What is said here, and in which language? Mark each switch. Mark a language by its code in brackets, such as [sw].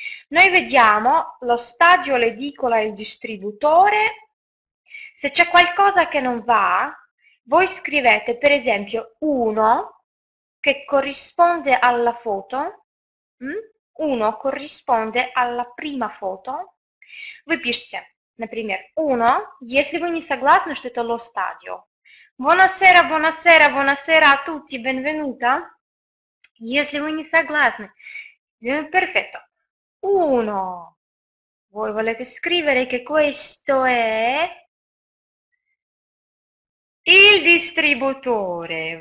[it] Noi vediamo lo stadio, l'edicola e il distributore. Se c'è qualcosa che non va, voi scrivete per esempio 1 che corrisponde alla foto. 1 corrisponde alla prima foto. Voi [ru] pишете, например, 1, если вы не согласны, что это lo stadio. [it] Buonasera, buonasera, buonasera a tutti, benvenuta. [ru] Если вы не согласны. [it] Perfetto. [ru] 1. [it] Voi volete scrivere che questo è il distributore.